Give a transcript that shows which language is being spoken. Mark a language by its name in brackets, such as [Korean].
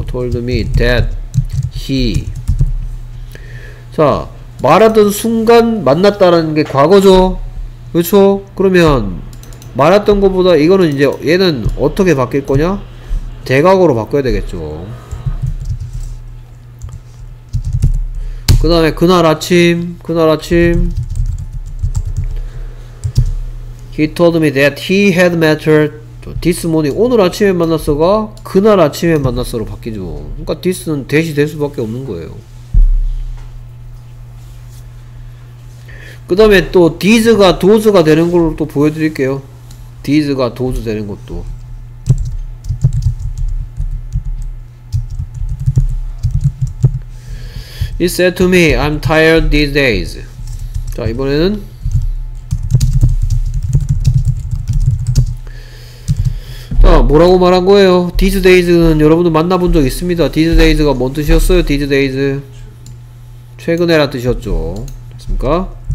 [English] told me that he [Korean] 자 말하던 순간 만났다라는 게 과거죠. 그렇죠? 그러면 말했던 것보다 이거는 이제 얘는 어떻게 바뀔 거냐? 대각으로 바꿔야 되겠죠. 그 다음에 그날 아침 [English] He told me that he had met her this morning. [Korean] 오늘 아침에 만났어가 그날 아침에 만났어로 바뀌죠. 그러니까 this는 that이 될 수밖에 없는 거예요. 그 다음에 또 these가 those가 되는 걸 또 보여드릴게요. [English] these가 those [Korean] 되는 것도 [English] He said to me, I'm tired these days. [Korean] 자 이번에는 자 뭐라고 말한 거예요? these days는 여러분들 만나본 적 있습니다. these days가 뭔 뜻이었어요? these days 최근에란 뜻이었죠. 됐습니까?